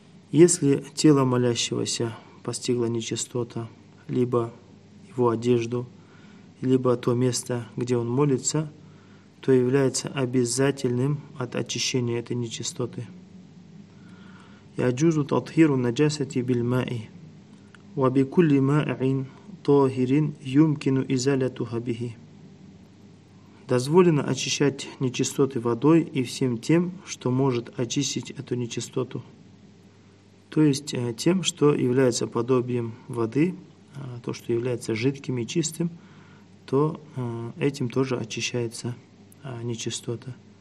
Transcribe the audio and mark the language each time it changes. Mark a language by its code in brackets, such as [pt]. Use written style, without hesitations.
[ru] Если тело молящегося постигло нечистота, либо его одежду, либо то место, где он молится, то является обязательным от очищения этой нечистоты. [ar] Яджузу татхиру наджасати биль-маи. وبكل مائع طاهر يمكن إزالتها به. [ru] Дозволено очищать нечистоты водой и всем тем, что может очистить эту нечистоту. То есть тем, что является подобием воды, то, что является жидким и чистым, то этим тоже очищается нечистота.